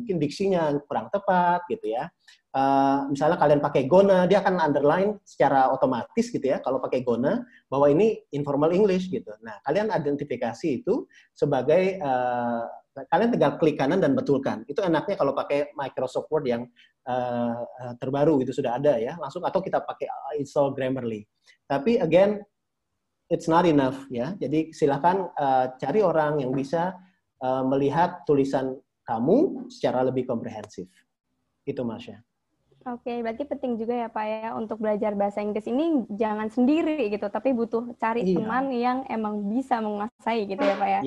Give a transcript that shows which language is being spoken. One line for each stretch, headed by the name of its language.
Indonesian: Mungkin diksinya kurang tepat gitu ya. Misalnya kalian pakai Gona, dia akan underline secara otomatis gitu ya, kalau pakai Gona, bahwa ini informal English gitu. Nah, kalian identifikasi itu sebagai, kalian tinggal klik kanan dan betulkan. Itu enaknya kalau pakai Microsoft Word yang terbaru itu sudah ada ya, langsung, atau kita pakai install Grammarly.
English: Tapi again, it's not enough ya.
Indonesian: Jadi silakan cari orang yang bisa melihat tulisan kamu secara lebih komprehensif. Itu Marsha. Oke, berarti penting juga ya Pak ya untuk belajar bahasa Inggris ini jangan sendiri gitu, tapi butuh cari teman yang emang bisa menguasai gitu ya Pak ya.